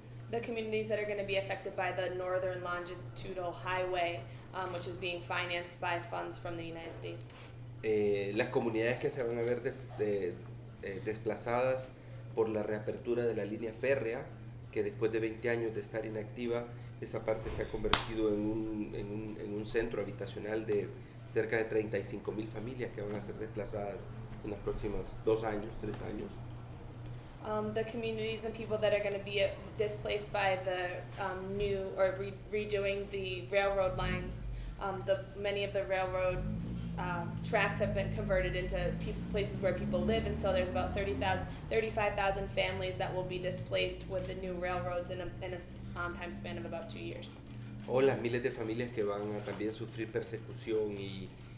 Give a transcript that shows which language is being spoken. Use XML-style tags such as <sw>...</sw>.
<en>The communities that are going to be affected by the Northern Longitudinal Highway, which is being financed by funds from the United States.</en> <es>Las comunidades que se van a ver desplazadas por la reapertura de la línea férrea, que después de 20 años de estar inactiva, esa parte se ha convertido en un centro habitacional de cerca de 35,000 familias que van a ser desplazadas en los próximos 2 años, 3 años.</es> <en>The communities and people that are going to be displaced by the new or redoing the railroad lines, many of the railroad tracks have been converted into places where people live, and so there's about 35,000 families that will be displaced with the new railroads in a time span of about 2 years.</en> <es>O las miles de familias que van a también sufrir persecución y</es>